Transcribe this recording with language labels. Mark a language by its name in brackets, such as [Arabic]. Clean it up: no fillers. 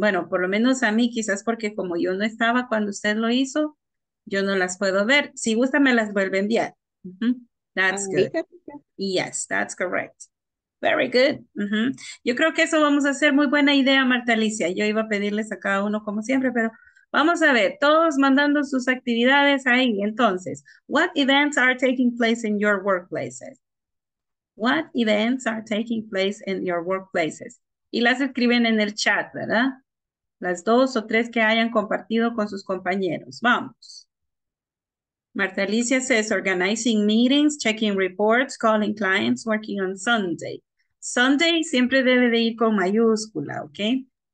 [Spanish] Bueno, por lo menos a mí, quizás porque como yo no estaba cuando usted lo hizo, yo no las puedo ver. Si gusta, me las vuelve a enviar. [English] Uh-huh. That's good. Yes, that's correct. Very good. Uh-huh. [Spanish] Yo creo que eso vamos a hacer. Muy buena idea, Marta Alicia. Yo iba a pedirles a cada uno como siempre, pero vamos a ver, todos mandando sus actividades ahí. Entonces, [English] what events are taking place in your workplaces? What events are taking place in your workplaces? [Spanish] Y las escriben en el chat, ¿verdad? Las dos o tres que hayan compartido con sus compañeros. Vamos. [English] Marta Alicia says, organizing meetings, checking reports, calling clients, working on Sunday. [Spanish] Sunday siempre debe de ir con mayúscula, ¿ok?